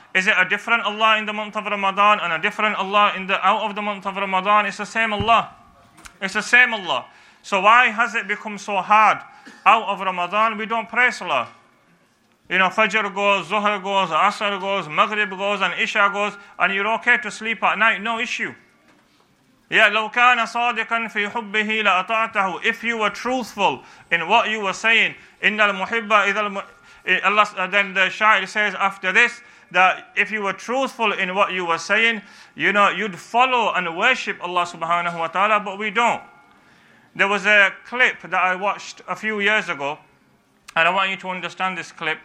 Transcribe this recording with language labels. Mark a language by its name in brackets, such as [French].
[English] Is it a different Allah in the month of Ramadan and a different Allah in the out of the month of Ramadan? It's the same Allah. It's the same Allah. So why has it become so hard? Out of Ramadan, we don't pray Salah. You know, Fajr goes, Zuhr goes, Asr goes, Maghrib goes, and Isha goes, and you're okay to sleep at night, no issue. [Arabic] Yeah, لو كان صادقا في حبه لأطعته. [English] If you were truthful in what you were saying, [Arabic] إن المحبة إذا [English] Allah, then the shair says after this, that if you were truthful in what you were saying, you know, you'd follow and worship Allah subhanahu wa ta'ala, but we don't. There was a clip that I watched a few years ago, and I want you to understand this clip.